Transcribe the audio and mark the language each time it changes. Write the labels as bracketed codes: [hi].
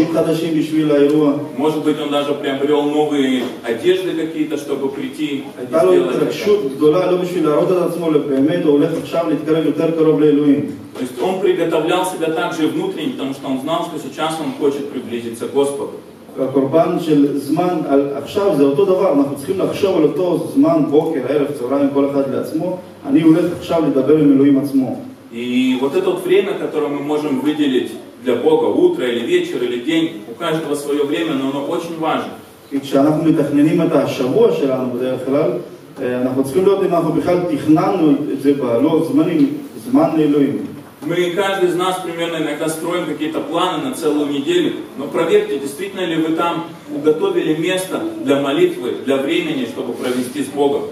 [ru] Может быть, он даже приобрел новые одежды какие-то, чтобы прийти и сделать это. То есть он приготовлял себя также внутренне, потому что он знал, что сейчас он хочет приблизиться к Господу. [he] הקורבן של זמן על עכשיו זה אותו דבר, אנחנו צריכים לחשוב על אותו זמן, בוקר, ערב, צהריים, כל אחד לעצמו, אני הולך עכשיו לדבר עם אלוהים עצמו. [ru] И вот это время, которое мы можем выделить для Бога, утро или вечер или день, у каждого свое время, но оно очень важно. [he] И כשאנחנו מתכננים את השבוע שלנו בדרך כלל, אנחנו צריכים להיות אם אנחנו בכלל תכננו את זה בלוח זמנים, זמן לאלוהים. [ru] Мы, каждый из нас, примерно иногда строим какие-то планы на целую неделю, но проверьте, действительно ли вы там уготовили место для молитвы, для времени, чтобы провести с Богом.